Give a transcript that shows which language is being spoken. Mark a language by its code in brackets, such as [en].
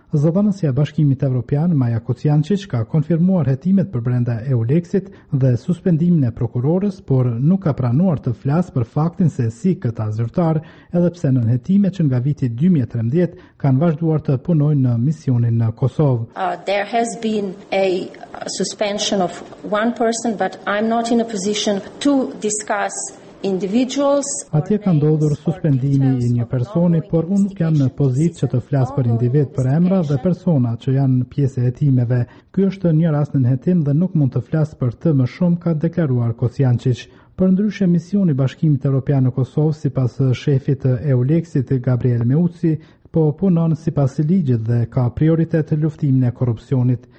[sq] Zëdhënësja e Bashkimit Evropian, Maja Kucjančić, ka konfirmuar hetimet përbrenda EULEX-it dhe suspendimin e prokurorës, por nuk ka pranuar të flasë për faktin se si këta zyrtar, edhe pse nën hetime që nga viti 2013 kanë vazhduar të punojnë në misionin në Kosovë. [en] There has been a suspension of one person. But I'm not in a position to discuss individuals. [sq] Atje ka ndodhur suspendimi i një personi, por unë nuk jam në pozitë që të flas për individ, për emra dhe persona që janë pjesë e hetimeve. Ky është një rast në hetim dhe nuk mund të flas për të më shumë, ka deklaruar Kocjančić. Përndryshe, misioni Bashkimit Evropian në Kosovë, sipas shefit të EULEX-it Gabriel Meuci, po punon sipas ligjit dhe ka prioritet luftimin e korrupsionit.